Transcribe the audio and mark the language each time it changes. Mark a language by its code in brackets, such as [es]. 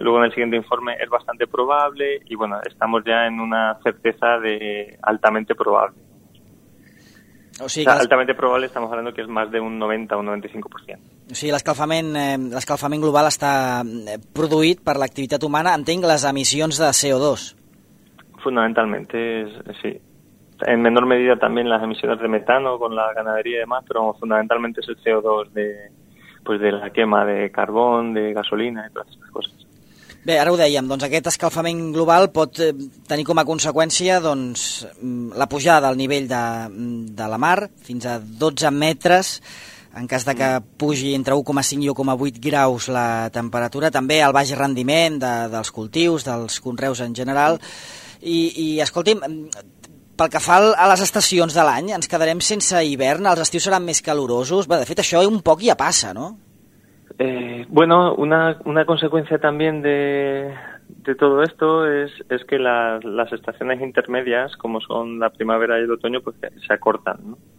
[es] Luego en el siguiente informe es bastante probable, y bueno, estamos ya en una certeza de altamente probable. O sea, altamente probable estamos hablando que es más de un 90 o 95%. [ca] O sigui, l'escalfament global està produït per l'activitat humana, entenc, les emissions de CO2. Fundamentalment, sí. [es] En menor medida també les emissions de metano con la ganadería y demás, [ca] però fundamentalment és el CO2 de la quema de carbó, de gasolina i totes aquestes coses. Bé, ara ho dèiem, doncs aquest escalfament global pot tenir com a conseqüència doncs la pujada del nivell de la mar fins a 12 metres, en cas de que pugi entre 1,5 i 1,8 graus la temperatura, també el baix rendiment dels cultius, dels conreus en general. I escolti'm, pel que fa a les estacions de l'any, ens quedarem sense hivern, els estius seran més calorosos. Bé, de fet, això un poc ja passa, no? [es] Bueno, una conseqüència també de todo esto es que las estaciones intermedias, como son la primavera y el otoño, pues se acortan, ¿no?